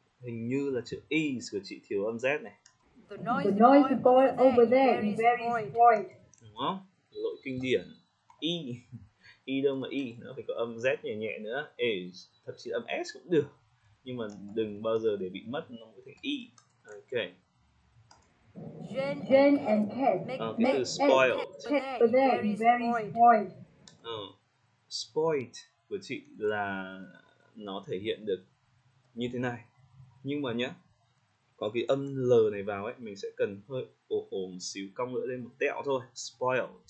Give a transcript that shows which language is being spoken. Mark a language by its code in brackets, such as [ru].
[vi] Hình như là chữ is của chị thiếu âm Z này. [en] The noisy boy over there is very spoiled. [vi] Đúng không? Lỗi kinh điển. E. E đâu mà E. Nó phải có âm Z nhẹ nhẹ nữa. Is. Thậm chí âm S cũng được. Nhưng mà đừng bao giờ để bị mất. Nó có thể E. Ok. [en] Jane and Ted. [vi] Cái từ spoiled. [en] Ted over there is very spoiled. [vi] Spoiled của chị là nó thể hiện được như thế này. Nhưng mà nhá, có cái âm L này vào ấy, mình sẽ cần hơi ồm xíu cong lưỡi lên một tẹo thôi. Spoiled.